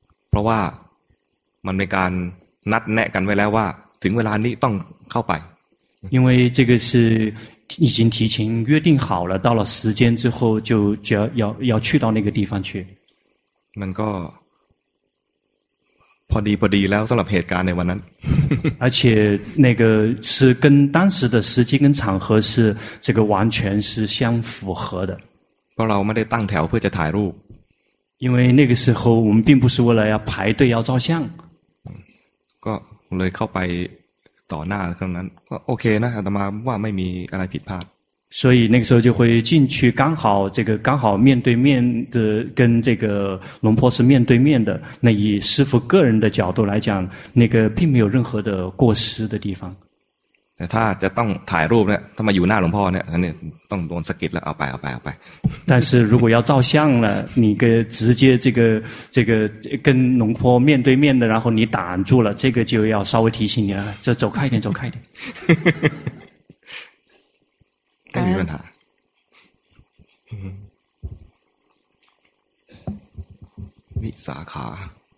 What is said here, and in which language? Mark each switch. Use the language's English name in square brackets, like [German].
[Thai] เพราะว่ามันเป็นการนัดแนะกันไว้แล้วว่าถึงเวลานี้ต้องเข้าไป [Chinese] 因为这个是已经提前约定好了到了时间之后就要去到那个地方去 [Thai] มันก็พอดีแล้วสำหรับเหตุการณ์ในวันนั้น [Chinese] 而且那个是跟当时的时机跟场合是这个完全是相符合的 [Thai] เพราะเราไม่ได้ตั้งแถวเพื่อจะถ่ายรูป [Chinese] 因为那个时候我们并不是为了要排队要照相 [Thai] ก็เลยเข้าไปต่อหน้าครั้งนั้นก็โอเคนะอาตมาว่าไม่มีอะไรผิดพลาด [Chinese] 所以那个时候就会进去刚好这个刚好面对面的跟这个龙婆是面对面的那以师父个人的角度来讲那个并没有任何的过失的地方 [Thai] แต่ถ้าจะต้องถ่ายรูปเนี่ยถ้ามาอยู่หน้าหลวงพ่อเนี่ยอันนี้ต้องโดนสะกิดแล้วเอาไป [Chinese] 但是如果要照相了你个直接这个跟龙坡面对面的然后你挡住了这个就要稍微提醒你了这走开一点走开一点没问题密萨卡